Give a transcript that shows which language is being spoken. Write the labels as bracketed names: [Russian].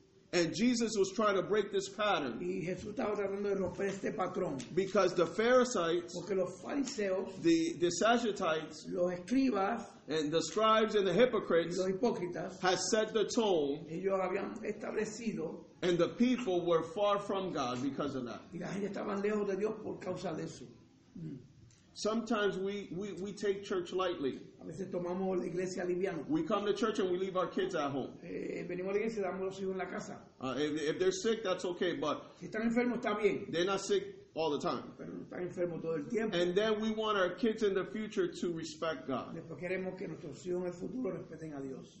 [English] And Jesus was trying to break this pattern. [Spanish] Y Jesús estaba tratando de romper este patrón. [English] Because the Pharisees, [Spanish] porque los fariseos, [English] the Sadducees, [Spanish] los escribas, [English] and the scribes and the hypocrites, [Spanish] los hipócritas, [English] had set the tone. [Spanish] Ellos habían establecido. [English] And the people were far from God because of that. [Spanish] Y la gente estaban lejos de Dios por causa de eso. [English] Sometimes we take church lightly. [Spanish] A veces tomamos la iglesia liviano. [English] We come to church and we leave our kids at home. [Spanish] Venimos a la iglesia y damos los hijos en la casa. [English] If they're sick, that's okay, but [Spanish] si están enfermos, está bien. [English] They're not sick all the time. [Spanish] Pero están enfermos todo el tiempo. [English] And then we want our kids in the future to respect God. [Spanish] Después queremos que nuestros hijos en el futuro respeten a Dios.